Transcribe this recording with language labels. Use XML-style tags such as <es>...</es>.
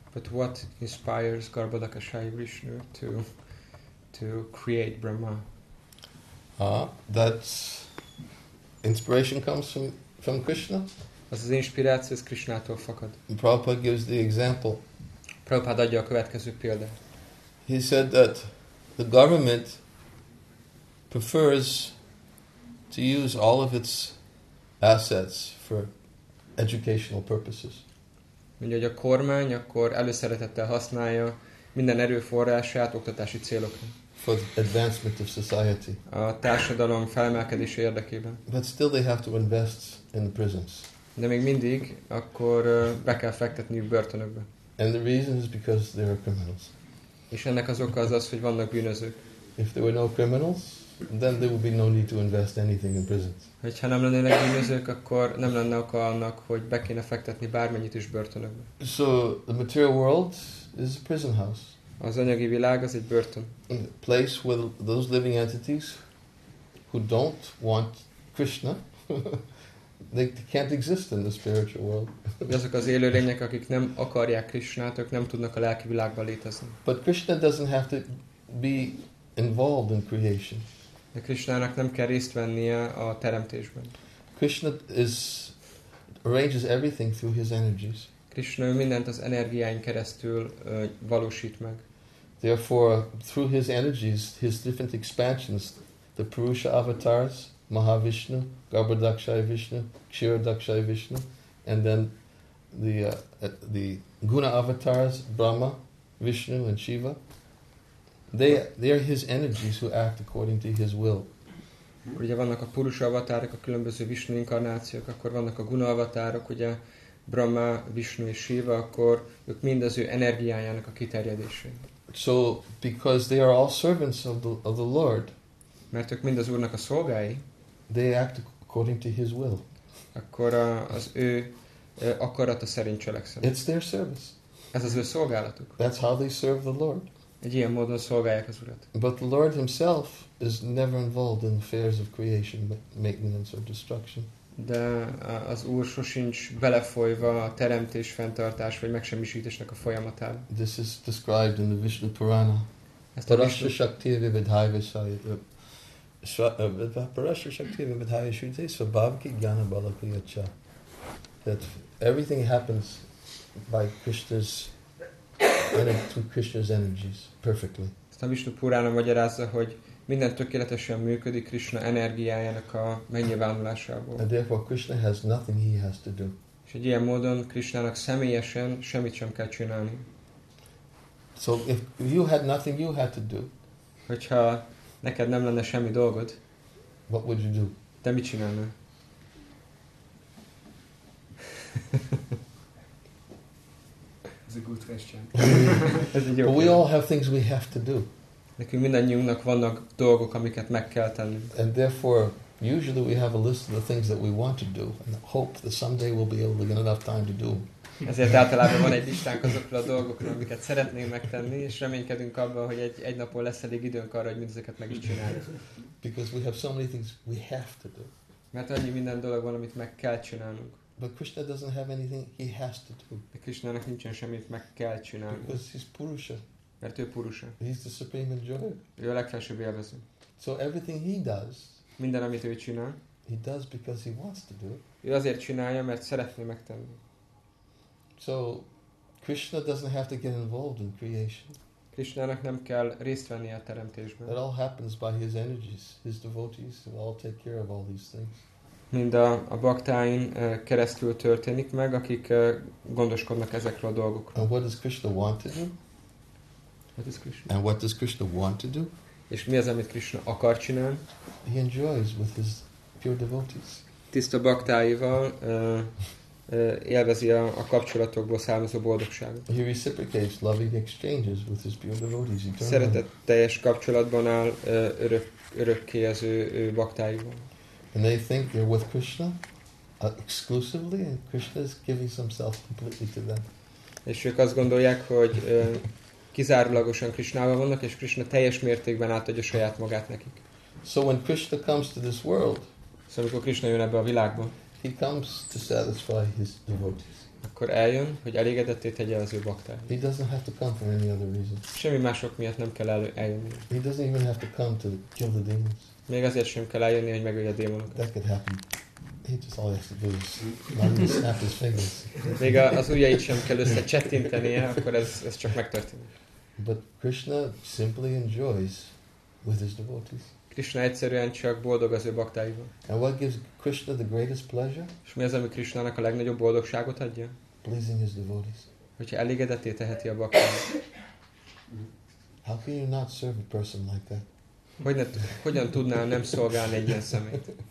<en>But what inspires Garbhodakashayi Vishnu to create Brahma? That inspiration comes from Krishna.</en> <hu>Az az inspiráció Krishnától fakad.</hu> <en>Prabhupada gives the example.</en> <hu>Prabhupada adja a következő példát.</hu> <en>He said that the government prefers to use all of its assets for educational purposes.</en> <hu>Mondja, hogy a kormány akkor előszeretettel használja minden erőforrását oktatási célokra.</hu> <en>For advancement of society.</en> <hu>A társadalom felemelkedése érdekében.</hu> <en>But still they have to invest in the prisons.</en> <hu>De még mindig akkor be kell fektetni börtönökbe.</hu> <en>And the reason is because there are criminals.</en> <hu>És ennek az oka az, hogy vannak bűnözők.</hu> <en>If there were no criminals, then there would be no need to invest anything in prisons.</en> <hu>Hogyha nem lennének bűnözők, akkor nem lenne oka annak, hogy be kéne fektetni bármennyit is börtönökbe.</hu> <en>So the material world is a prison house.</en> <hu>Az anyagi világ az egy börtön.</hu> <en>A place where those living entities who don't want Krishna, they can't exist in the spiritual world.</en> <hu>Azok az élő lények, akik nem akarják Krishnát, ők nem tudnak a lelki világban létezni.</hu> <en>But Krishna doesn't have to be involved in creation.</en> <hu>De Krishnának nem kell részt vennie a teremtésben.</hu> <en>Krishna arranges everything through his energies.</en> <hu>Krishna mindent az energiáin keresztül valósít meg.</hu> <en>Therefore, through his energies, his different expansions, the Purusha avatars, Mahavishnu, Garbhodakshaya Vishnu, Kshiradakshaya Vishnu, and then the Guna avatars, Brahma, Vishnu, and Shiva, they are his energies who act according to his will.</en> <hu>Ugye vannak a Purusha avatárok, a különböző Vishnu inkarnációk, akkor vannak a Guna avatárok, ugye Brahma, Vishnu és Shiva, akkor ők mind az ő energiájának a kiterjedésé.</hu> <en>So because they are all servants of the Lord,</en> <hu>mert ők mind az Úrnak a szolgái,</hu> <en>they act according to his will.</en> <hu>Akkor az ő akarata szerint cselekszenek.</hu> <en>It's their service.</en> <hu>Ez az ő szolgálatuk.</hu> <en>That's how they serve the Lord.</en> <hu>Egy ilyen módon szolgálják az Urat.</hu> <en>But the Lord himself is never involved in affairs of creation, maintenance or destruction.</en> <hu>De az Úr sosincs belefolyva a teremtés, fenntartás vagy megsemmisítésnek a folyamatán.</hu> <en>This is described in the Vishnu Purana.</en> <sa>Parashra Shakti Vibhai Vishaya. Parashra Shakti Vibhai Vishaya Svabhavaki Jnana Balakriyacha.</sa> <en>That everything happens by Krishna's through Krishna's energies perfectly.</en> <hu>A Vishnu Purana magyarázza, hogy minden tökéletesen működik Krishna energiájának a megnyilvánulásából.</hu> <en>And therefore Krishna has nothing he has to do.</en> <hu>És egy ilyen módon Krishnának személyesen semmit sem kell csinálni.</hu> <en>So if you had nothing you had to do,</en> <hu>hogyha neked nem lenne semmi dolgod,</hu> <en>what would you do?</en> <hu>Te mit csinálnál? Ez egy jó kérdés.</hu> <en>But we all have things we have to do.</en> <hu>Nekünk mindannyiunknak vannak dolgok, amiket meg kell tenni.</hu> <en>And therefore, usually we have a list of the things that we want to do, and hope that someday we'll be able to get enough time to do.</en> <hu>Ezért általában van egy listánk azokra a dolgokra, amiket szeretnénk megtenni, és reménykedünk abban, hogy egy napon lesz elég időnk arra, hogy mindezeket meg is csináljuk.</hu> <en>Because we have so many things we have to do.</en> <hu>Mert annyi minden dolog van, amit meg kell csinálnunk.</hu> <en>But Krishna doesn't have anything he has to do.</en> <hu>De Krishnának nincsen semmit meg kell csinálni.</hu> <en>Because he's Purusha.</en> <hu>Mert ő Purusha.</hu> <en>He's the supreme enjoyer.</en> <hu>Ő a legfelsőbb élvező.</hu> <en>So everything he does,</en> <hu>minden, amit ő csinál,</hu> <en>he does because he wants to do.</en> <hu>Ő azért csinálja, mert szeretné megtenni.</hu> <en>So Krishna doesn't have to get involved in creation.</en> <hu>Krisnának nem kell részt venni a teremtésben.</hu> <en>It all happens by his energies. His devotees will all take care of all these things.</en> <hu>Mind a baktáin keresztül történik meg, akik gondoskodnak ezekről a dolgokról.</hu> <en>And what does Krishna want to do? What is Krishna? And what does Krishna want to do?</en> <hu>És mi az, amit Krishna akar csinálni?</hu> <en>He enjoys with his pure devotees.</en> <hu>Tiszta baktáival élvezi a kapcsolatokból származó boldogságot.</hu> <en>He reciprocates loving exchanges with his pure devotees.</en> <hu>Szeretetteljes kapcsolatban áll örökké az ő baktáival.</hu> <en>And they think they're with Krishna exclusively, and Krishna is giving himself completely to them.</en> <hu>És ők azt gondolják, hogy kizárólagosan Krishnával vannak, és Krishna teljes mértékben átadja saját magát nekik.</hu> <en>So when Krishna comes to this world,</en> <hu>amikor Krishna jön ebbe a világba,</hu> <en>he comes to satisfy his devotees.</en> <hu>Akkor eljön, hogy elégedetté tegye az ő baktáját.</hu> <en>He doesn't have to come for any other reason.</en> <hu>Semmi mások miatt nem kell eljönni.</hu> <en>He doesn't even have to come to kill the demons.</en> <hu>Még azért sem kell eljönni, hogy megölje a démonokat.</hu> <en>That could happen. He just all has to do is lightly snap his fingers.</en> <hu>Még az ujjait sem kell összecsettintenie, akkor ez csak megtörténik.</hu> <en>But Krishna simply enjoys with his devotees.</en> <hu>Krishna egyszerűen csak boldog az ő baktáival.</hu> <en>And what gives Krishna the greatest pleasure?</en> <hu>És mi az, ami Krishnának a legnagyobb boldogságot adja?</hu> <en>Pleasing his devotees.</en> <hu>Hogyha elégedetté teheti a baktáját.</hu> <en>How can you not serve a person like that?</en> <hu>Hogyan tudnál nem szolgálni egy ilyen szemét?</hu>